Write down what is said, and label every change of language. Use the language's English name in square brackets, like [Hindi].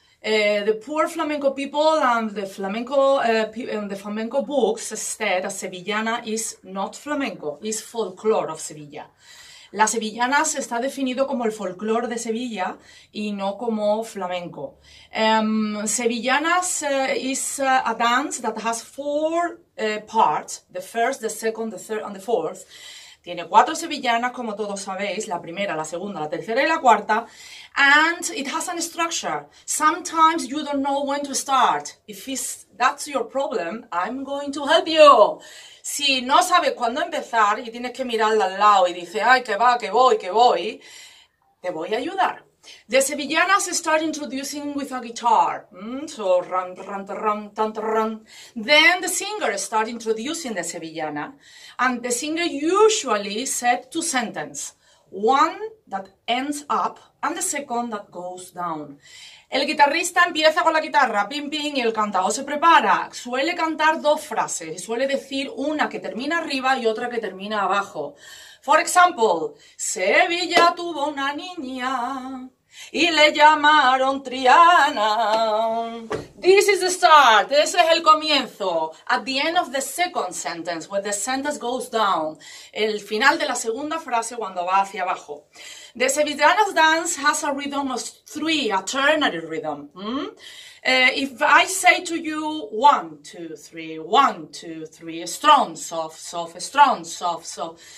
[English] The poor flamenco people and the flamenco books said a sevillana is not flamenco, is folklore of Sevilla. [Spanish] La sevillana se está definido como el folclore de Sevilla y no como flamenco. [English] Sevillanas is a dance that has four parts, the first, the second, the third and the fourth. [Spanish] Tiene cuatro sevillanas, como todos sabéis, la primera, la segunda, la tercera y la cuarta. [English] And it has a structure. Sometimes you don't know when to start. If that's your problem, I'm going to help you. [Spanish] Si no sabes cuándo empezar y tienes que mirarla al lado y dices, ay, que va, que voy, que voy, te voy a ayudar. [English] The sevillanas start introducing with a guitar. So, ran, ran, ran, tan, ran. Then the singer start introducing the sevillana. And the singer usually said two sentences. One that ends up and the second that goes down. [Spanish] El guitarrista empieza con la guitarra, pim, pim, y el cantador se prepara. Suele cantar dos frases. Suele decir una que termina arriba y otra que termina abajo. [English] For example, [Spanish] Sevilla tuvo una niña y le llamaron Triana. [English] This is the start. [Spanish] Ese es el comienzo. [English] At the end of the second sentence, where the sentence goes down. [Spanish] El final de la segunda frase cuando va hacia abajo. [English] The Sevillanas dance has a rhythm of three, a ternary rhythm. If I say to you, one, two, three, one, two, three, strong, soft, soft, strong, soft, soft.